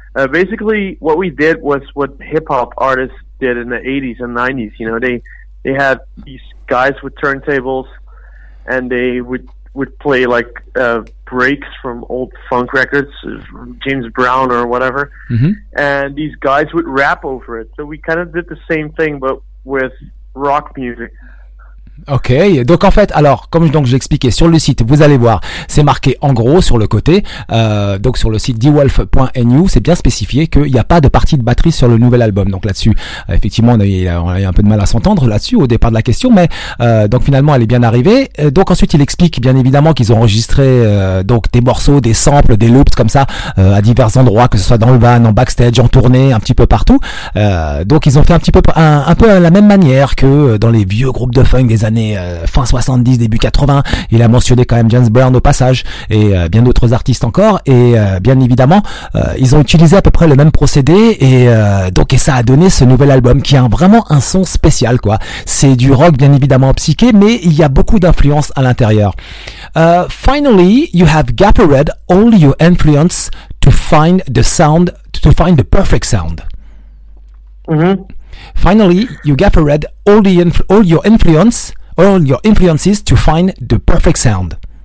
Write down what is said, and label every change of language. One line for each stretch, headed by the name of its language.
English: Basically, what we did was what hip-hop artists did in the 80s and 90s. You know, they had these guys with turntables, and they would would play like breaks from old funk records, James Brown or whatever, and these guys would rap over it. So we kind of did the same thing, but with rock music.
French: Ok, donc en fait, alors, comme donc je l'expliquais sur le site, vous allez voir, c'est marqué en gros sur le côté, donc sur le site dewolf.nu, c'est bien spécifié qu'il n'y a pas de partie de batterie sur le nouvel album. Donc là-dessus, effectivement, on a eu un peu de mal à s'entendre là-dessus au départ de la question, mais donc finalement, elle est bien arrivée. Donc ensuite, il explique bien évidemment qu'ils ont enregistré donc des morceaux, des samples, des loops comme ça, à divers endroits, que ce soit dans le van, en backstage, en tournée, un petit peu partout. Donc ils ont fait un peu à la même manière que dans les vieux groupes de funk des années fin 70, début 80. Il a mentionné quand même James Brown au passage et bien d'autres artistes encore, et bien évidemment ils ont utilisé à peu près le même procédé, et ça a donné ce nouvel album qui a vraiment un son spécial, quoi. C'est du rock bien évidemment psyché, mais il y a beaucoup d'influences à l'intérieur.
English: Finally, you have gathered all your influence to find the sound, to find the perfect sound. Finally, you gathered all your influences to find the perfect sound.